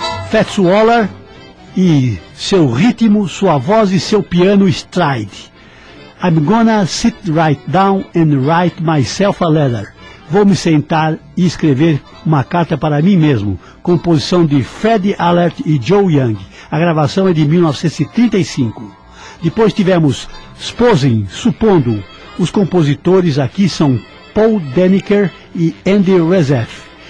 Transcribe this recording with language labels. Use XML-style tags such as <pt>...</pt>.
<pt>Fats Waller e seu ritmo, sua voz e seu piano stride.</pt> <en>I'm gonna sit right down and write myself a letter.</en> <pt>Vou me sentar e escrever uma carta para mim mesmo. Composição de Freddie Allert e Joe Young. A gravação é de 1935. Depois tivemos Sposing, Supondo. Os compositores aqui são Paul Deniker e Andy Rezef.</pt>